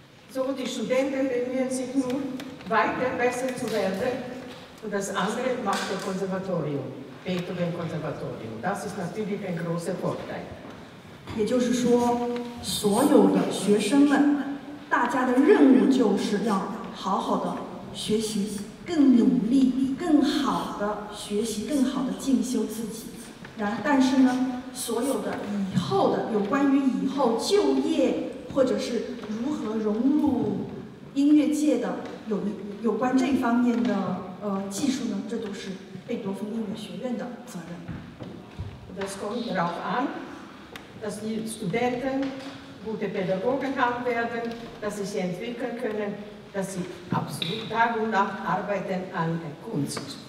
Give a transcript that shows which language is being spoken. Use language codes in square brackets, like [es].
[de] So, die Studenten bemühen sich nun, weiter besser zu werden. Und das andere macht das Konservatorium, Beethoven-Konservatorium. Das ist natürlich ein großer Vorteil. [zh] 也就是说，所有的学生们，大家的任务就是要好好的学习，更努力、更好的学习、更好的进修自己。然，但是呢，所有的以后的有关于以后就业，或者是如何融入音乐界的有关这方面的技术呢，这都是贝多芬音乐学院的责任。 [de] Das kommt darauf an, dass die Studenten gute Pädagogen haben werden, dass sie sich entwickeln können, dass sie absolut Tag und Nacht arbeiten an der Kunst.